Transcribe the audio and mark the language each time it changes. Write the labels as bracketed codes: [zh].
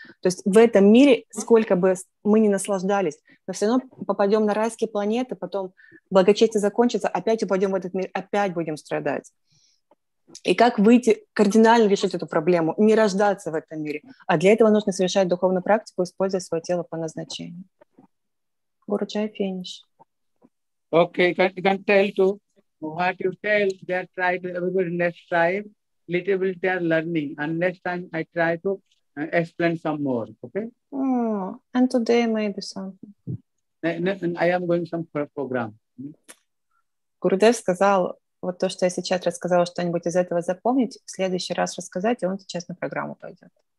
[ru] То есть в этом мире, сколько бы мы ни наслаждались, мы все равно попадем на райские планеты, потом благочестие закончится, опять упадем в этот мир, опять будем страдать. И как выйти, кардинально решить эту проблему, не рождаться в этом мире. А для этого нужно совершать духовную практику, используя свое тело по назначению. [en] Гуру Чай, финиш. Okay, can tell to what you tell, they are trying to, because next time, little bit they are learning, and next time I try to explain some more, okay? Oh, and today maybe something. I am going some program. [ru] Gurudev сказал, вот то, что я сейчас рассказала, что-нибудь из этого запомнить, в следующий раз рассказать, и он сейчас на программу пойдет.